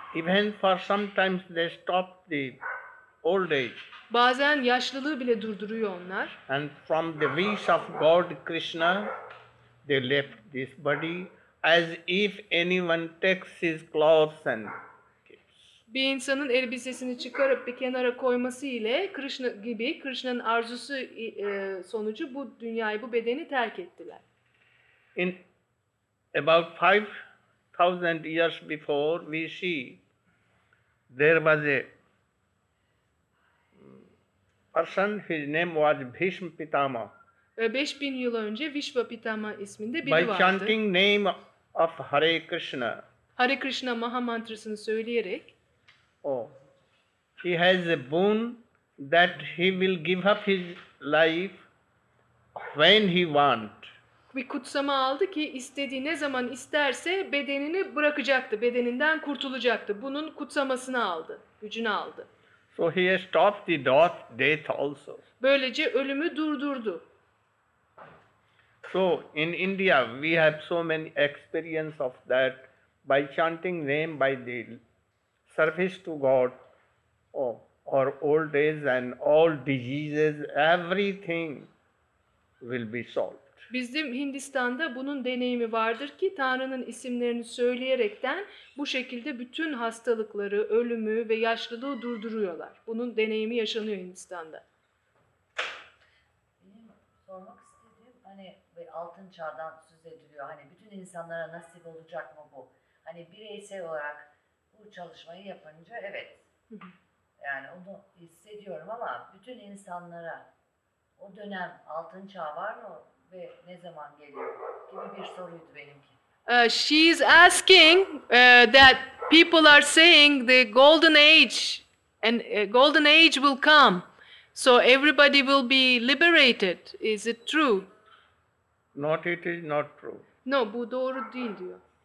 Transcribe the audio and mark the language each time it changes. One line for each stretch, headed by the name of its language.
English: even for sometimes they stop the old age,
Turkish: bazen yaşlılığı bile durduruyor onlar,
English: and from the wish of God Krishna they left this body, as if anyone takes his clothes and keeps.
Turkish: Bir insanın elbisesini çıkarıp bir kenara koyması ile Krishna gibi, Krishna'nın arzusu sonucu bu dünyayı, bu bedeni terk ettiler.
English: In about 5000 years before we see there was a person, his name was Bhishma Pitama.
Turkish: 5000 yıl önce Vishva Pitama isminde biri
English: by
Turkish: vardı.
English: By chanting name of Hare Krishna.
Turkish: Hare Krishna Maha Mantrasını söyleyerek.
English: Oh, he has a boon that he will give up his life when he want.
Turkish: Bir kutsama aldı ki istediği ne zaman isterse bedenini bırakacaktı, bedeninden kurtulacaktı. Bunun kutsamasını aldı, gücünü aldı.
English: So he has stopped the death also.
Turkish: Böylece ölümü durdurdu.
English: So in India we have so many experience of that by chanting name, by the service to God, or old age and all diseases, everything will be solved.
Turkish: Bizim Hindistan'da bunun deneyimi vardır ki Tanrı'nın isimlerini söyleyerekten bu şekilde bütün hastalıkları, ölümü ve yaşlılığı durduruyorlar. Bunun deneyimi yaşanıyor Hindistan'da. Sormak istediğim, hani altın çağdan söz ediliyor. Hani bütün insanlara nasip olacak mı bu? Hani bireysel olarak bu çalışmayı yapınca evet. Yani onu hissediyorum ama bütün insanlara o dönem altın çağ var mı ve ne zaman geliyor gibi bir soruydu benimki.
English: She is asking that people are saying the golden age and golden age will come. So everybody will be liberated. Is it true? Not, it is not true.
Turkish: No, bu doğru değil diyor.